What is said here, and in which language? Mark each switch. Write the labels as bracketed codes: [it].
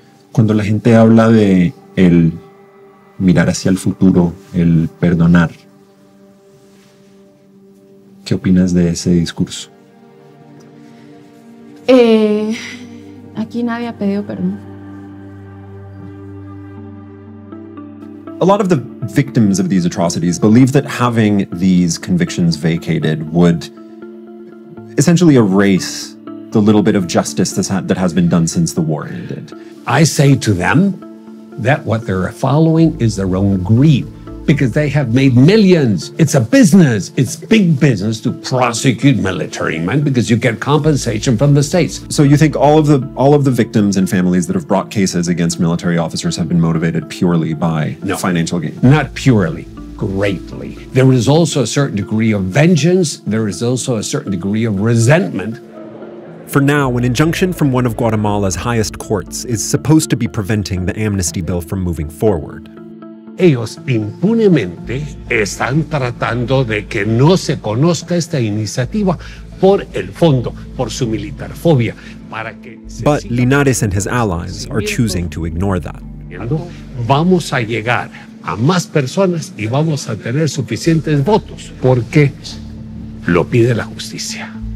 [es] Cuando la gente habla de el mirar hacia el futuro, el perdonar, ¿qué opinas de ese discurso? Aquí nadie ha pedido perdón. [en] A lot of the victims of these atrocities believe that having these convictions vacated would essentially erase the little bit of justice that has been done since the war ended. I say to them that what they're following is their own greed, because they have made millions. It's a business. It's big business to prosecute military men because you get compensation from the states. So you think all of the victims and families that have brought cases against military officers have been motivated purely by financial gain? Not purely. Greatly. There is also a certain degree of vengeance. There is also a certain degree of resentment. For now, an injunction from one of Guatemala's highest courts is supposed to be preventing the amnesty bill from moving forward. [es] Ellos impunemente están tratando de que no se conozca esta iniciativa por el fondo, por su militar fobia, para que se [en] But Linares and his allies are choosing to ignore that. [es] Vamos a llegar a más personas y vamos a tener suficientes votos porque lo pide la justicia.